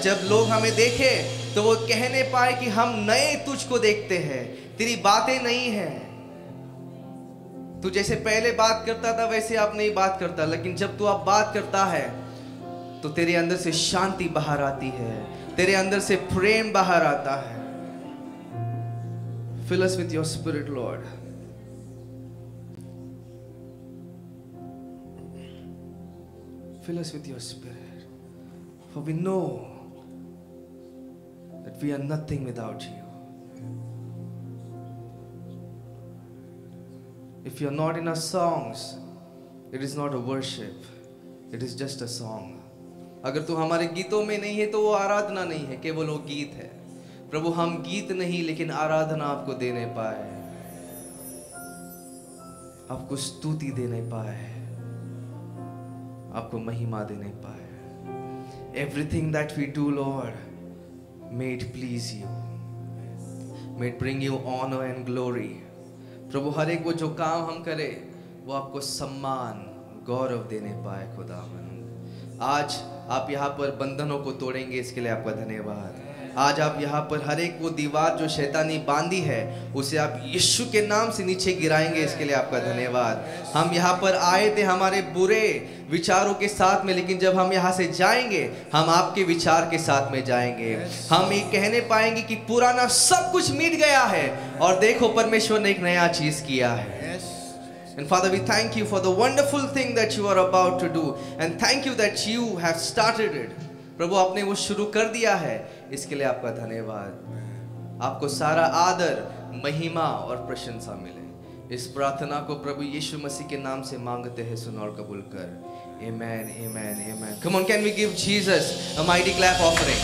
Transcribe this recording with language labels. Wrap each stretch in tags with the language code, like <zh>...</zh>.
<hi>जब लोग हमें देखे तो वो कहने पाए कि हम नए तुझको देखते हैं, तेरी बातें नहीं है, तू जैसे पहले बात करता था वैसे आप नहीं बात करता, लेकिन जब तू आप बात करता है तो तेरे अंदर से शांति बाहर आती है, तेरे अंदर से प्रेम बाहर आता है।</hi> <en>Fill us with your spirit, Lord. Fill us with your spirit. For we know that we are nothing without you. If you are not in our songs, it is not a worship. It is just a song.</en> <hi>अगर तू हमारे गीतों में नहीं है तो वो आराधना नहीं है, केवल वो गीत है। प्रभु हम गीत नहीं लेकिन आराधना आपको देने पाए, आपको स्तुति देने पाए, आपको महिमा देने पाए।</hi> <en>everything that we do, Lord, may it please you. May it bring you honor and glory.</en> <hi>प्रभु हर एक वो जो काम हम करें वो आपको सम्मान गौरव देने पाए खुदावन. आज आप यहाँ पर बंधनों को तोड़ेंगे इसके लिए आपका धन्यवाद. आज आप यहाँ पर हर एक वो दीवार जो शैतानी बांधी है उसे आप यीशु के नाम से नीचे गिराएंगे इसके लिए आपका धन्यवाद. हम यहाँ पर आए थे हमारे बुरे विचारों के साथ में, लेकिन जब हम यहाँ से जाएंगे हम आपके विचार के साथ में जाएंगे. हम ये कहने पाएंगे कि पुराना सब कुछ मिट गया है और देखो परमेश्वर ने एक नया चीज किया है.</hi> <en>And Father, we thank you for the wonderful thing that you are about to do. And thank you that you have started it.</en> <hi>प्रभु आपने वो शुरू कर दिया है, इसके लिए आपका धन्यवाद. आपको सारा आदर, महिमा और प्रशंसा मिले. इस प्रार्थना को प्रभु यीशु मसीह के नाम से मांगते हैं, सुन और कबूल कर.</hi> <en>Amen, amen, amen. Come on, can we give Jesus a mighty clap offering?</en>